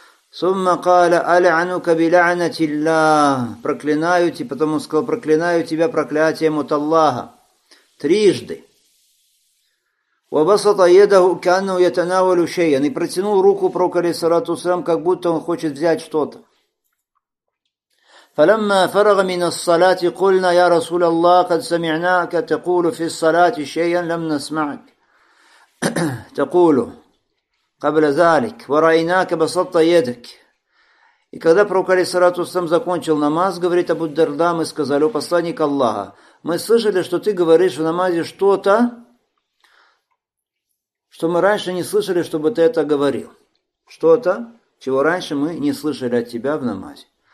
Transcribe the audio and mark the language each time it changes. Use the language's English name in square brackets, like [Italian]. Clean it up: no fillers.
[Russian] сумма [Arabic] قال [Russian] алъанука билъанати Аллах проклинаю тебя потом он сказал проклинаю тебя проклятием от Аллаха трижды [Arabic] وبسط يده كأنه يتناول شيئا [Russian] и протянул руку пророку алейхиссалату вассалям как будто он хочет взять что-то. [Arabic] فلما فرغ من الصلاة قلنا يا رسول الله قد سمعناك تقول في الصلاة شيئا لم نسمعك تقول قبل ذلك ورأيناك بسطت يدك. [Russian] И когда пророк алейхиссалату вассалям закончил намаз, говорит Абу Дарда, мы сказали: "О посланник Аллаха, мы слышали, что ты говоришь в намазе что-то, что мы раньше не слышали, чтобы ты это говорил. Что-то, чего раньше мы не слышали от тебя в намазе.